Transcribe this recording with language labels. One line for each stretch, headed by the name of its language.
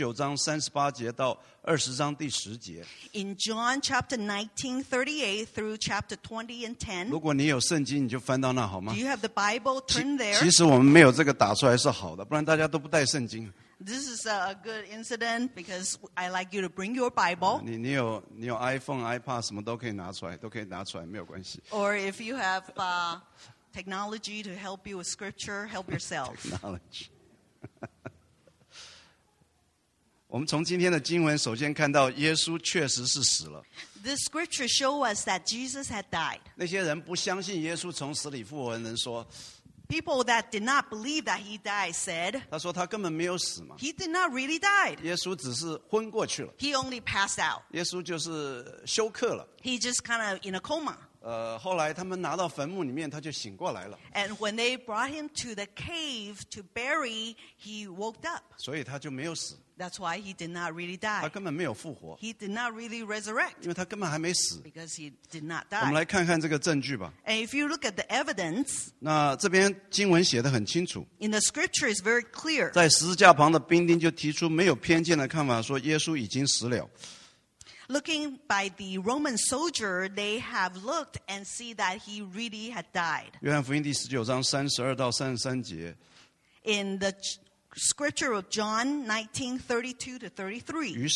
Chinese: 我们从刚才所读的这段经文,约翰福音第19章38节到
English: In John chapter 19, 38 through chapter 20 and 10.
Chinese: 如果你有圣经，你就翻到那好吗？
English: Do you have the Bible? Turn there.
Chinese: 其实我们没有这个打出来是好的，不然大家都不带圣经。
English: This is a good incident because I like you to bring your Bible.
Chinese: 你有 iPhone, iPad, 什么都可以拿出来，没有关系。
English: Or if you have technology to help you with scripture, help yourself. Technology.
Chinese: 我们从今天的经文首先看到耶稣确实是死了。
English: This scripture shows us that Jesus had died.
Chinese: 那些人不相信耶稣从死里复活的人说,
English: People that did not believe that he died said,
Chinese: 他说他根本没有死嘛。
English: He did not really die.
Chinese: 耶稣只是昏过去了。
English: He only passed out.
Chinese: 耶稣就是休克了。
English: He just kind of in a coma.
Chinese: 后来他们拿到坟墓里面，他就醒过来了。
English: And when they brought him to the cave to bury, he woke up.
Chinese: 所以他就没有死。
English: That's why he did not really die.
Chinese: 他根本没有复活,
English: he did not really resurrect.
Chinese: 因为他根本还没死,
English: because he did not die.
Chinese: 我们来看看这个证据吧。
English: And if you look at the evidence,
Chinese: 那这边经文写得很清楚,
English: in the scripture, it's very clear.
Chinese: 在十字架旁的兵丁就提出没有偏见的看法，说耶稣已经死了。
English: Looking by the Roman soldier, they have looked and see that he really had died.
Chinese: 约翰福音第19章32到33节,
English: in the Scripture of John 19:32-33.